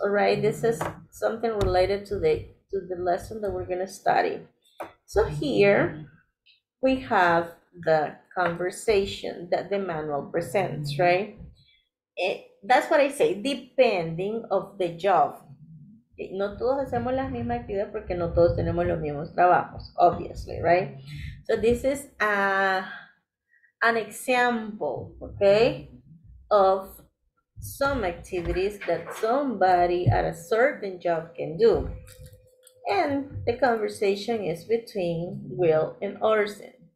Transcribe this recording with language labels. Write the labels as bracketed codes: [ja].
[en] All right, this is something related to the lesson that we're gonna study. So here we have the conversation that the manual presents, right? That's what I say, depending of the job. [es] Okay, no todos hacemos las mismas actividades porque no todos tenemos los mismos trabajos, [en] obviously, right? So this is an example, okay, of some activities that somebody at a certain job can do. And the conversation is between Will and Orson.